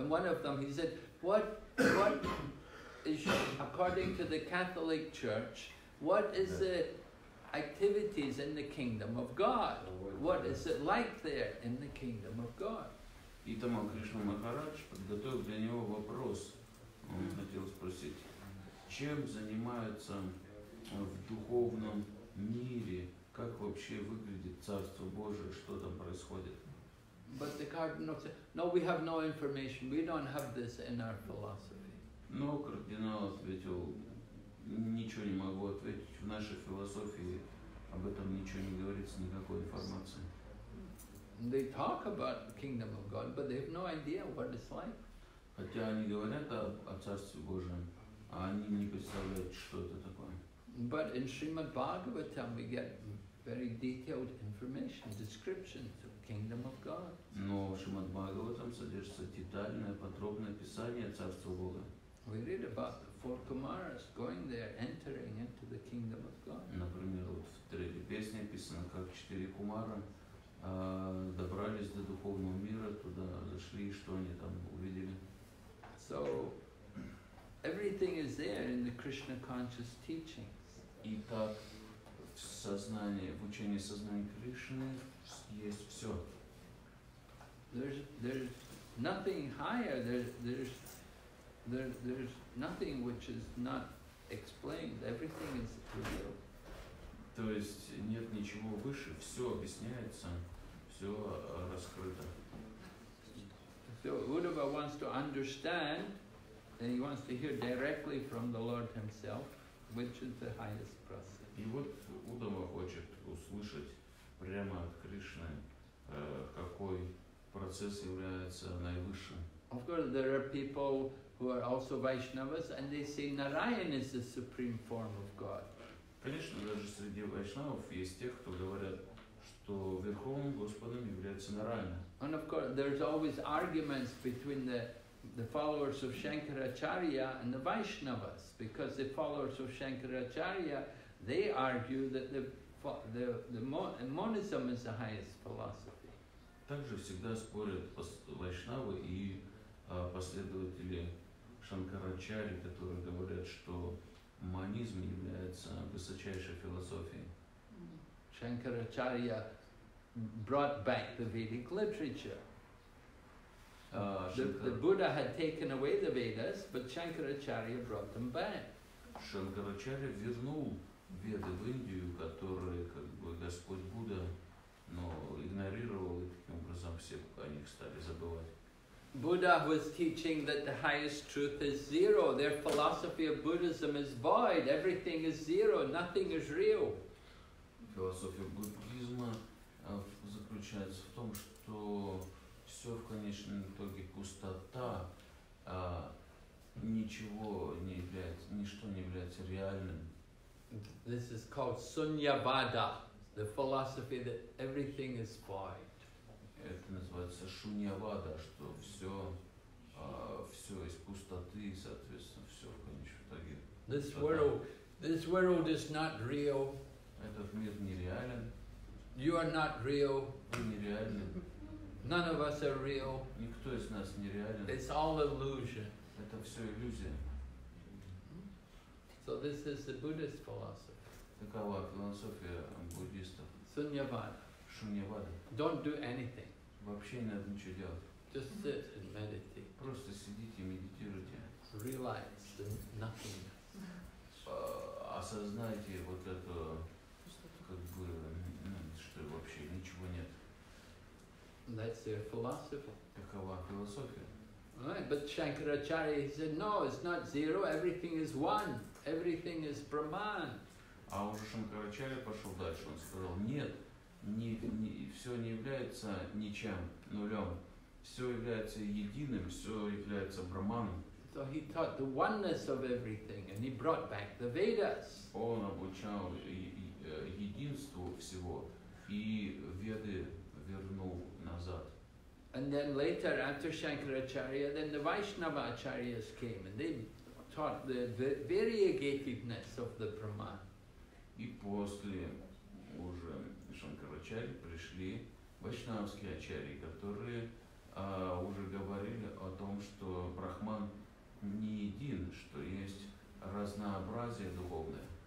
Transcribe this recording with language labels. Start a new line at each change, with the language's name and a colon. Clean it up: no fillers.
English: And one of them, he said, what is, according to the Catholic Church, what is the activities in the kingdom of God? What is it like there in the kingdom of God?
Russian: И Tamal Krishna Maharaj подготовил для него вопрос. Он хотел спросить, чем занимаются в духовном мире? Как вообще выглядит Царство Божие, что там происходит?
English: But the cardinal said, no, we have no information, we don't have this in our philosophy.
Russian: Но кардинал ответил, ничего не могу ответить, в нашей философии об этом ничего не говорится, никакой информации.
English: They talk about the kingdom of God, but they have no idea what it's like.
Russian: Хотя они говорят о Царстве Божьем, а они не представляют, что это такое.
English: But in Srimad Bhagavatam we get very detailed information, descriptions of the kingdom of God.
Russian: Но в Шримад Бхагаватам содержится детальное, подробное описание Царства Бога.
English: We read about the four kumaras going there, entering into the kingdom of God.
Russian: Например, вот в третьей песне описано, как четыре кумара добрались до духовного мира, туда зашли, что они там увидели.
English: So everything is there in the Krishna conscious teachings.
Russian: И так в сознании, в учении сознания Кришны есть все.
English: There's nothing higher. There's nothing which is not explained. Everything is revealed.
Russian: То есть нет ничего выше. Все объясняется. Все раскрыто.
English: So Uddhava wants to understand, and he wants to hear directly from the Lord Himself, which is the highest process.
Russian: И вот Удава хочет услышать прямо от Кришны, какой процесс является наивысшим.
English: Of course, there are people who are also Vaishnavas, and they say Narayan is the supreme form of God.
Russian: Конечно, даже среди Вайшнавов есть те, кто говорят, что Верховным Господом является Нараяна.
English: And of course, there's always arguments between the followers of Shankaracharya and the Vaishnavas, because the followers of Shankaracharya, they argue that the monism is the highest philosophy.
Russian: Также всегда спорят вайшнавы и последователи Шанкарачари, которые говорят, что монизм является высочайшей философией.
English: Shankaracharya brought back the Vedic literature. The Buddha had taken away the Vedas, but Shankaracharya brought them back.
Russian: Шанкарачарья вернул Веды в Индию, которые как бы Господь Будда, но игнорировал, и таким образом все о них стали забывать.
English: Buddha was teaching that the highest truth is zero. Their philosophy of Buddhism is void. Everything is zero. Nothing is real.
Russian: Философия буддизма заключается в том, что все в конечном итоге пустота, ничего не является, ничто не является реальным.
English: This is called Sunyavada, the philosophy that everything is void.
Russian: Это называется Шуньявада, что все, все из пустоты, соответственно, все в конечном итоге.
English: This world is not real.
Russian: Этот мир нереален.
English: You are not real.
Russian: Вы нереальны.
English: None of us are real.
Russian: Никто из нас нереален.
English: It's all illusion.
Russian: Это все иллюзия.
English: So this is the Buddhist philosophy.
Russian: Такова философия буддистов. Суньявада. Шуньявада.
English: Don't do anything.
Russian: Вообще не надо ничего делать.
English: Just sit and meditate.
Russian: Просто сидите и медитируйте.
English: Realize the nothingness.
Russian: Осознайте вот это, как бы, что вообще ничего нет.
English: That's their philosophy.
Russian: Такова философия.
English: Right, but Shankaracharya said, no, it's not zero, everything is one. Everything is Brahman.
Russian: А уже Шанкарачарья пошел дальше. Он сказал, нет, не, все не является ничем, нулем. все является единым, все является Брахманом.
English: So he taught the oneness of everything, and he brought back the Vedas.
Russian: Он обучал единству всего, и Веды вернул назад.
English: And then later, after Shankaracharya, then the Vaishnava Acharyas came, and they taught the variegatedness of the Brahman.
Russian: И после уже Шанкарачарьи пришли вайшнавские ачарьи, которые уже говорили о том, что Брахман не един, что есть разнообразие духовное.